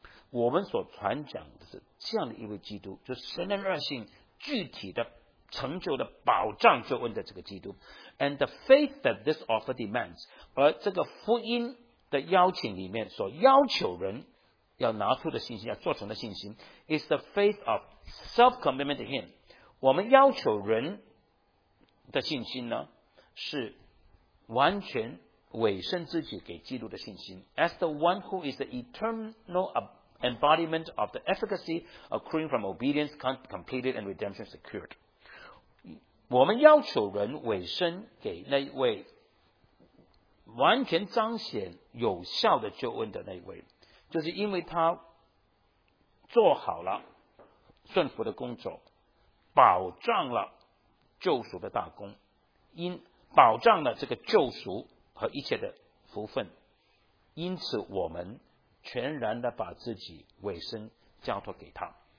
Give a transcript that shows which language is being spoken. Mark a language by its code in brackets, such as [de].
[zh] 我们所传讲的是这样的一位基督，就是神人二心具体的成就的保障救恩的这个基督。 [en] And the faith that this offer demands, [zh] 而这个福音的邀请里面所要求人要拿出的信心，要做成的信心 [en] is the faith of self-commitment to him. [zh] 我们要求人的信心呢，是完全委身自己给基督的信心。 [en] As the one who is the eternal embodiment of the efficacy accruing from obedience completed and redemption secured. [zh] 我们要求人委身给那一位完全彰显有效的救恩的那一位，就是因为他做好了顺服的工作，保障了救赎的大功，因保障了这个救赎和一切的福分，因此我们全然的把自己委身交托给他。